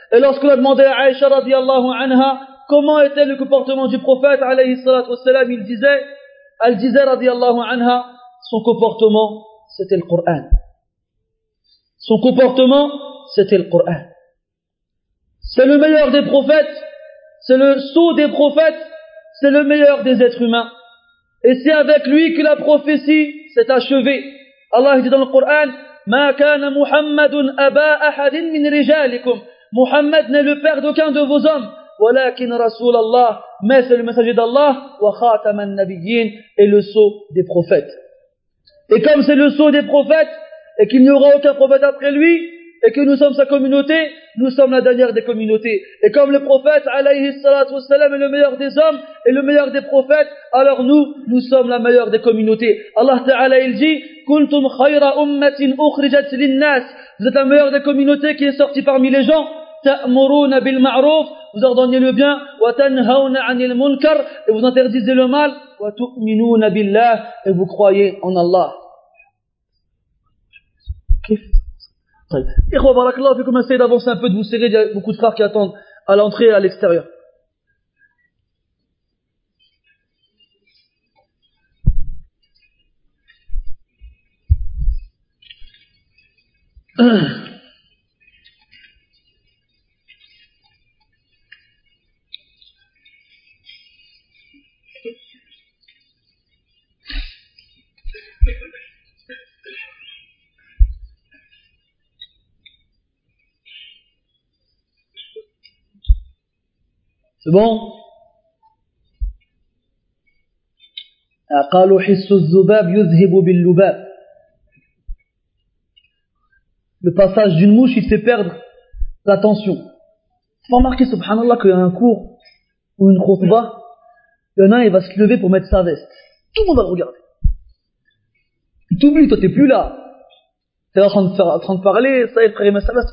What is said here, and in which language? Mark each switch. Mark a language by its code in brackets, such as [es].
[fr] Et lorsqu'on a demandé à Aïcha radiallahu anha comment était le comportement du prophète alayhi salatu wassalam, elle disait radiallahu anha, son comportement c'était le Coran. Son comportement c'était le Coran. C'est le meilleur des prophètes, c'est le sceau des prophètes, c'est le meilleur des êtres humains. Et c'est avec lui que la prophétie s'est achevée. Allah dit dans le Coran, [ar] ما كان محمد أبا أحد من رجالكم. [fr] محمد n'est le père d'aucun de vos hommes. [ar] ولكن رسول الله. [fr] Mais c'est le messager d'Allah. [ar] وخاتم النبيين. [fr] Et le sceau des prophètes. Et comme c'est le sceau des prophètes, et qu'il n'y aura aucun prophète après lui, et que nous sommes sa communauté, nous sommes la dernière des communautés. Et comme le prophète, alayhi salatu wassalam, est le meilleur des hommes, et le meilleur des prophètes, alors nous sommes la meilleure des communautés. Allah Ta'ala, il dit, [ar] كنتم خير أمة أخرجت للناس. [fr] Vous êtes la meilleure des communautés qui est sortie parmi les gens. [ar] تأمرون بالمعروف. [fr] Vous ordonnez le bien. [ar] وتنهون عن المنكر. [fr] Et vous interdisez le mal. [ar] وتؤمنون بالله. [fr] Et vous croyez en Allah. Ikhwa barakallahu fikoum, essayez d'avancer un peu, de vous serrer. Il y a beaucoup de frères qui attendent à l'entrée et à l'extérieur. C'est bon. [ar] قالوا حس الذباب يذهب باللباب. [fr] Le passage d'une mouche, il fait perdre l'attention. Vous remarquez, subhanallah, qu'il y a un cours ou une khutbah, il y en a un, il va se lever pour mettre sa veste. Tout le monde va le regarder. Il t'oublie, toi, t'es plus là. T'es là en train de parler, ça y est, frère, il met sa veste.